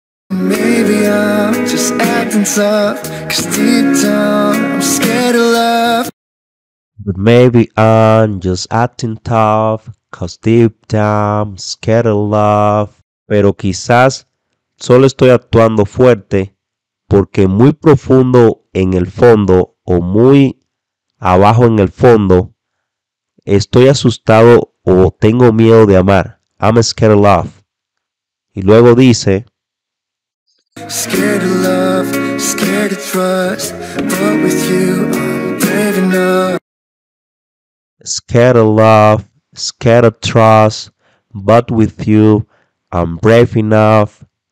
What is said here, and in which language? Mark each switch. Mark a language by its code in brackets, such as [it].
[en] Maybe I'm just acting tough, 'cause deep down I'm scared of love. But maybe I'm just acting tough, 'cause deep down I'm scared of love. [es] Pero quizás solo estoy actuando fuerte, porque muy profundo en el fondo o muy abajo en el fondo, estoy asustado o tengo miedo de amar. [en] I'm scared of love. [es] Y luego dice, [en] scared of love, scared of trust, but with you I'm brave enough. Scared of love, scared of trust, but with you I'm brave enough.